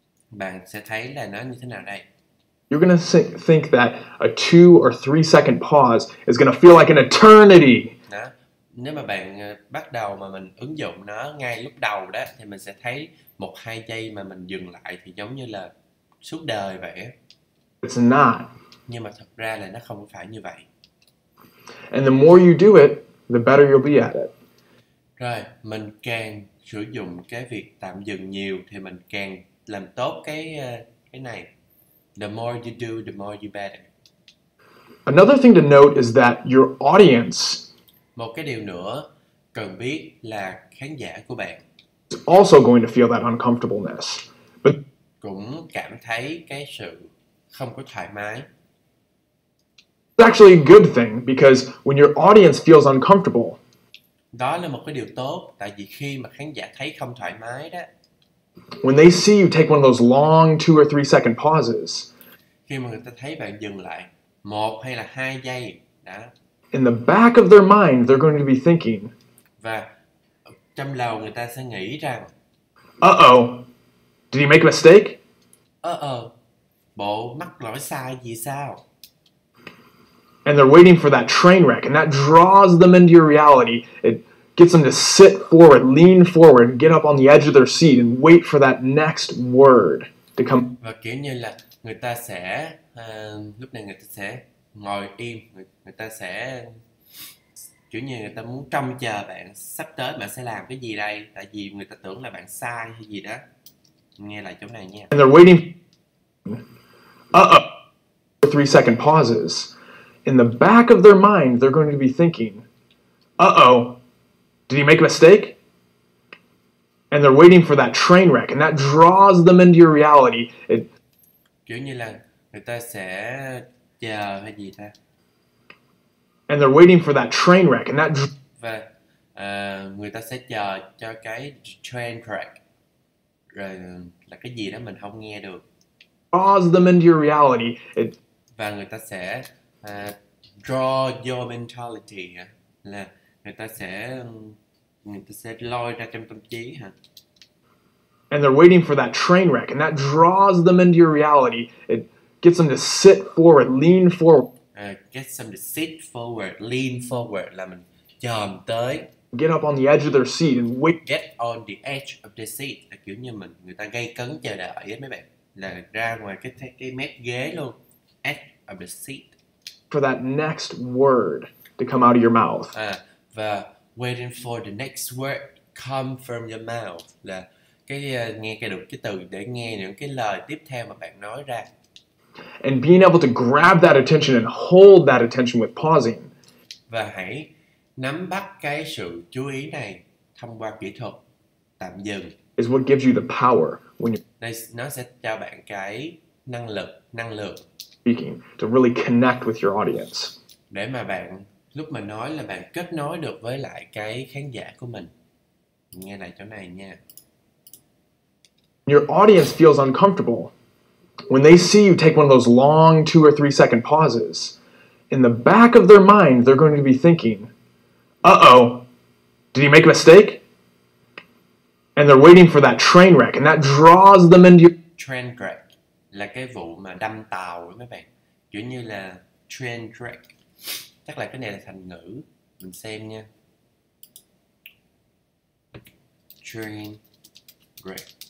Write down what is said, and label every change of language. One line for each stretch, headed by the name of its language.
Vietnamese: Bạn sẽ thấy là nó như thế nào đây?
English: You're going to think that a 2 or 3 second pause is going to feel like an eternity.
Vietnamese: Đó. Nếu mà bạn bắt đầu mà mình ứng dụng nó ngay lúc đầu đó, thì mình sẽ thấy 1-2 giây mà mình dừng lại thì giống như là suốt đời vậy.
English: It's not.
Vietnamese: Nhưng mà thật ra là nó không phải như vậy.
English: And the more you do it, the better you'll be at it.
Vietnamese: Rồi, mình càng sử dụng cái việc tạm dừng nhiều thì mình càng làm tốt cái này.
English: The more you do, the more you better. Another thing to note is that your audience.
Vietnamese: Một cái điều nữa cần biết là khán giả của bạn.
English: Is also going to feel that uncomfortableness. But
Vietnamese: cũng cảm thấy cái sự không có thoải mái.
English: It's actually a good thing because when your audience feels uncomfortable.
Vietnamese: Đó là một cái điều tốt, tại vì khi mà khán giả thấy không thoải mái đó.
English: When they see you take one of those long 2 or 3 second pauses,
Vietnamese: khi mà người ta thấy bạn dừng lại 1 hay là 2 giây, đó.
English: In the back of their mind, they're going to be thinking.
Vietnamese: Và trong lầu người ta sẽ nghĩ rằng,
English: uh-oh, did he make a mistake?
Vietnamese: Uh-oh, bộ mắc lỗi sai gì sao?
English: And they're waiting for that train wreck, and that draws them into your reality. It gets them to sit forward, lean forward, get up on the edge of their seat and wait for that next word to come.
Vietnamese: Và kiểu như là người ta sẽ lúc này người ta sẽ ngồi im, người ta sẽ kiểu như người ta muốn trông chờ bạn sắp tới bạn sẽ làm cái gì đây, tại vì người ta tưởng là bạn sai hay gì đó. Nghe lại chỗ này nha.
English: And they're waiting. Uh-oh. 3 second pauses. In the back of their mind, they're going to be thinking, uh-oh. Did he make a mistake? And they're waiting for that train wreck, and that draws them into your reality. It
Vietnamese: kiểu như là người ta sẽ chờ hay gì ta?
English: And they're waiting for that train wreck, and that
Vietnamese: và người ta sẽ chờ cho cái train wreck. Rồi là cái gì đó mình không nghe được.
English: Draws them into your reality. It
Vietnamese: và người ta sẽ
English: draw your mentality
Vietnamese: là người ta sẽ lôi ra trong tâm trí hả?
English: And they're waiting for that train wreck, and that draws them into your reality. It gets them to sit forward, lean forward. Gets them to sit forward, lean forward.
Vietnamese: Là mình chồm tới.
English: Get up on the edge of their seat and wait. Get on the edge of their seat.
Vietnamese: Là kiểu như mình người ta gây cấn chờ đợi ấy mấy bạn. Là ra ngoài cái mép ghế luôn.
English: Edge of the seat. For that next word to come out of your mouth.
Vietnamese: Và
English: waiting for the next word come from your mouth
Vietnamese: là cái nghe cái được cái từ để nghe những cái lời tiếp theo mà bạn nói ra.
English: And being able to grab that attention and hold that attention with pausing.
Vietnamese: Và hãy nắm bắt cái sự chú ý này thông qua kỹ thuật tạm dừng.
English: is what gives you the power when you're
Vietnamese: Nó sẽ cho bạn cái năng lượng
English: speaking to really connect with your audience.
Vietnamese: Để mà bạn, lúc mà nói là bạn kết nối được với lại cái khán giả của mình. Nghe này chỗ này nha.
English: Your audience feels uncomfortable when they see you take one of those long 2 or 3 second pauses. In the back of their mind, they're going to be thinking, uh-oh, did he make a mistake? And they're waiting for that train wreck, and that draws them into your...
Vietnamese: Train wreck là cái vụ mà đâm tàu với mấy bạn. Giống như là train wreck. Chắc là cái này là thành ngữ. Mình xem nha.
English: Train wreck.